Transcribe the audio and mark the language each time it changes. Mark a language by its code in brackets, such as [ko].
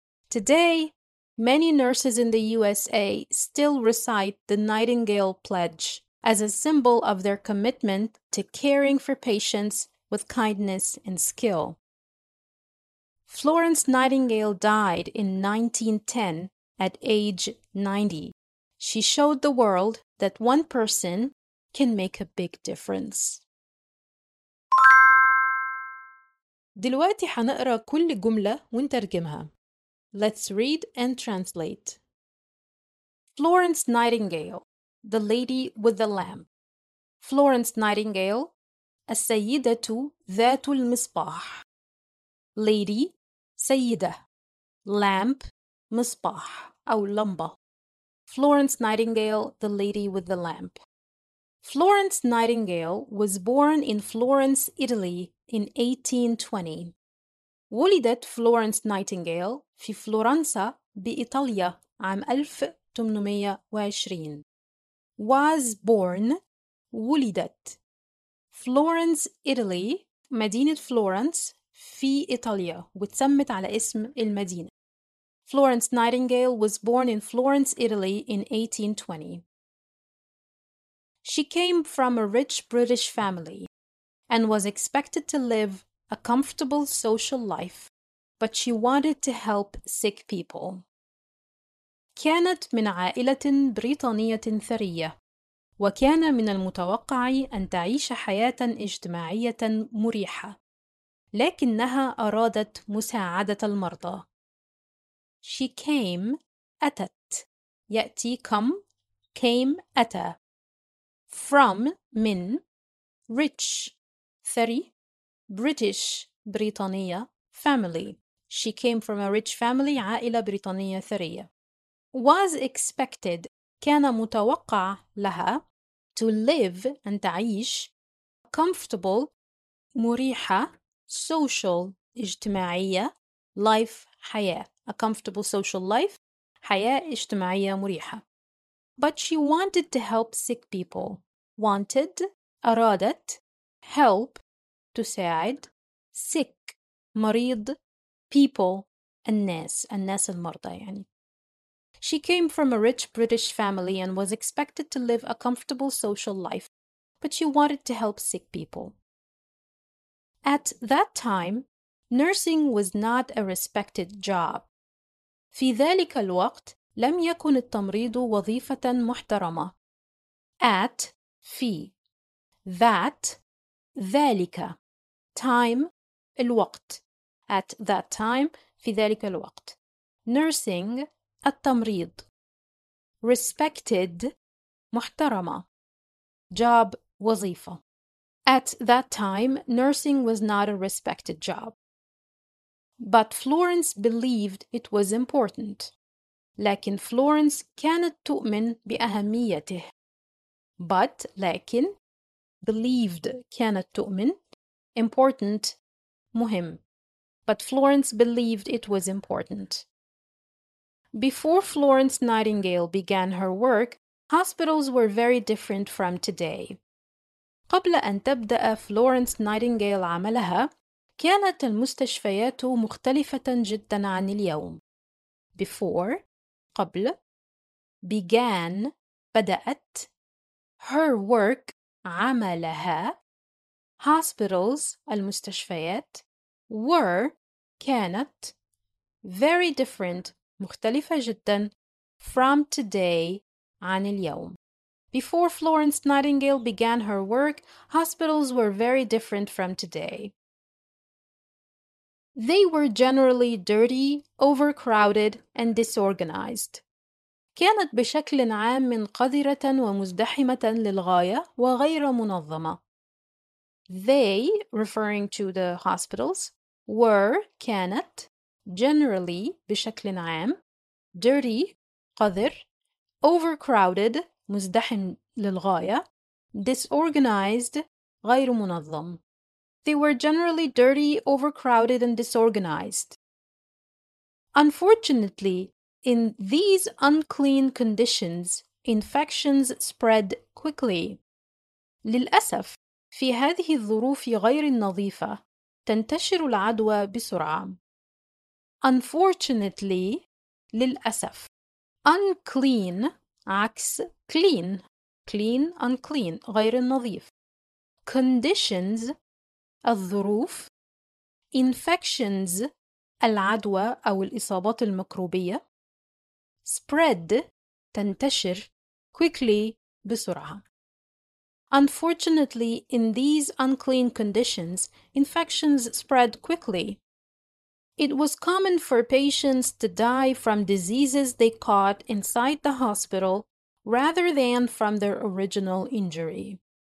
[en] Today, many nurses in the USA still recite the Nightingale Pledge as a symbol of their commitment to caring for patients with kindness and skill. Florence Nightingale died in 1910 at age 90. She showed the world that one person can make a big difference. [ar] دلوقتي هنقرأ كل جملة ونترجمها. [en] Let's read and translate. Florence Nightingale, the Lady with the Lamp. [ar] Florence Nightingale, السيدة ذات المصباح. Lady, سيدة. lamp, مصباح أو لمبة. [en] Florence Nightingale, the lady with the lamp. Florence Nightingale was born in Florence, Italy in 1820. [ar] ولدت Florence Nightingale في فلورنسا بإيطاليا عام 1820. [en] Was born, ولدت. [ar] Florence, Italy, مدينة Florence في إيطاليا وتسمت على اسم المدينة. [en] Florence Nightingale was born in Florence, Italy in 1820. She came from a rich British family and was expected to live a comfortable social life, but she wanted to help sick people. [ar] كانت من عائلة بريطانية ثرية وكان من المتوقع أن تعيش حياة اجتماعية مريحة، لكنها أرادت مساعدة المرضى. [en] She came, أتت. يأتي come, came, أتى. From, من. Rich, ثري. British, بريطانية. Family. She came from a rich family, [ar] عائلة بريطانية ثرية. [en] Was expected, [ar] كان متوقع لها. To live, أن تعيش. Comfortable, مريحة. Social, اجتماعية. Life, حياة. [en] A comfortable social life, [ar] حياة اجتماعية مريحة. [en] But she wanted to help sick people. [ar] Wanted, أرادت, help, تساعد, sick, مريض, people, الناس, الناس المرضى يعني. [en] She came from a rich British family and was expected to live a comfortable social life, but she wanted to help sick people. At that time, nursing was not a respected job. [ar] في ذلك الوقت لم يكن التمريض وظيفة محترمة. At, في. That, ذلك. Time, الوقت. [en] At that time, [ar] في ذلك الوقت. Nursing, التمريض. Respected, محترمة. Job, وظيفة. [en] At that time, nursing was not a respected job. But Florence believed it was important. [ar] لكن Florence كانت تؤمن بأهميته. But, لكن, believed, كانت تؤمن, important, مهم. [en] But Florence believed it was important. Before Florence Nightingale began her work, hospitals were very different from today. [ar] قبل أن تبدأ Florence Nightingale عملها, كانت المستشفيات مختلفة جدا عن اليوم. [en] Before, قبل, began, بدأت, her work, عملها, hospitals, المستشفيات, were, كانت, very different, [ar] مختلفة جدا, [en] from today, [ar] عن اليوم. [en] Before Florence Nightingale began her work, hospitals were very different from today. They were generally dirty, overcrowded, and disorganized. [ar] كانت بشكل عام منقذرة ومزدحمة للغاية وغير منظمة. [en] They, referring to the hospitals, were, كانت, generally, [ar] بشكل عام, [en] dirty, قذر, overcrowded, [ar] مزدحم للغاية, [en] disorganized, [ar] غير منظم. [en] They were generally dirty, overcrowded, and disorganized. Unfortunately, in these unclean conditions, infections spread quickly. [ar] للأسف، في هذه الظروف غير النظيفة، تنتشر العدوى بسرعة. [en] Unfortunately, للأسف. Unclean عكس clean. Clean, unclean، [ar] غير النظيف. [en] Conditions الظروف. [ar] Infections العدوى أو الإصابات الميكروبية. Spread تنتشر. Quickly بسرعة. [en] Unfortunately, in these unclean conditions, infections spread quickly. It was common for patients to die from diseases they caught inside the hospital rather than from their original injury.